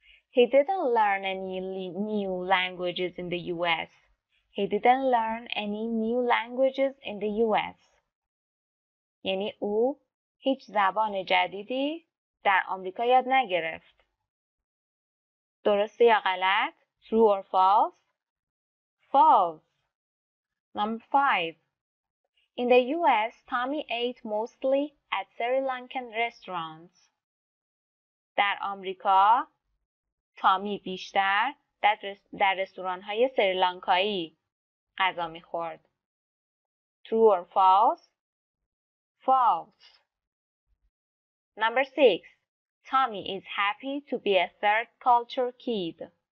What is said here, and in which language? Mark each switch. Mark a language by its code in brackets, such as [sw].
[en] He didn't learn any new languages in the US. He didn't learn any new languages in the US. [fa] یعنی او هیچ زبان جدیدی در آمریکا یاد نگرفت. درسته یا غلط؟ [en] True or false? False. Number five. In the US, Tommy ate mostly at Sri Lankan restaurants. [fa] در آمریکا تامی بیشتر در رستوران های سریلانکایی غذا می خورد. [en] True or false? False. Number six. Tommy is happy to be a third culture kid.